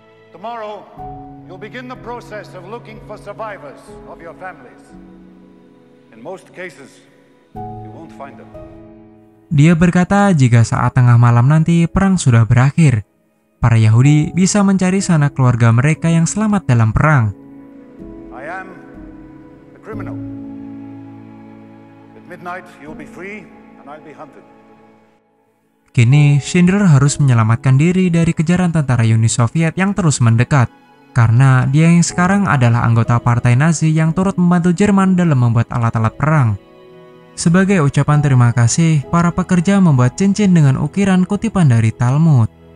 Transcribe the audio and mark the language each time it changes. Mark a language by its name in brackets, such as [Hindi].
[English] Tomorrow, you'll begin the process of looking for survivors of your families. In most cases, you won't find them. [Indonesian] Dia berkata jika saat tengah malam nanti perang sudah berakhir, para Yahudi bisa mencari sanak keluarga mereka yang selamat dalam perang. [English] I am a criminal. At midnight, you'll be free and I'll be hunted. [Indonesian] Kini, Schindler harus menyelamatkan diri dari kejaran tentara Uni Soviet yang terus mendekat, karena dia yang sekarang adalah anggota partai Nazi yang turut membantu Jerman dalam membuat alat-alat perang. Sebagai ucapan terima kasih, para pekerja membuat cincin dengan ukiran kutipan dari Talmud.